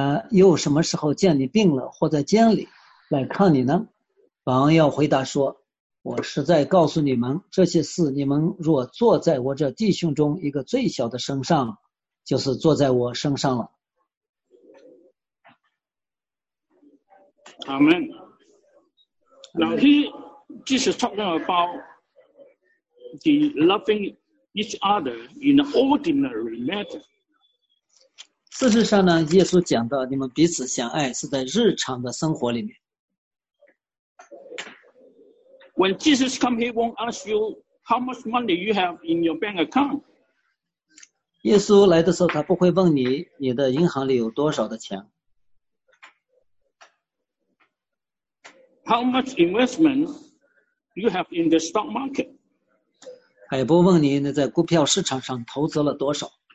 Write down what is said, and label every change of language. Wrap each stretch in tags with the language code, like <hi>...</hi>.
<zh>又什么时候见你病了或在监里来看你呢？王要回答说：“我实在告诉你们，这些事你们若坐在我这弟兄中一个最小的身上，就是坐在我身上了。” 阿门。</zh> <en>Now he Jesus talking about. The loving each other in an ordinary matter.</en> <zh>事实上呢，耶稣讲到你们彼此相爱是在日常的生活里面。</zh> <en>When Jesus comes, he won't ask you how much money you have in your bank account.</en> <zh>耶稣来的时候，他不会问你你的银行里有多少的钱。</zh> <en>How much investment you have in the stock market?</en> <zh>他也不问你你在股票市场上投资了多少。</zh>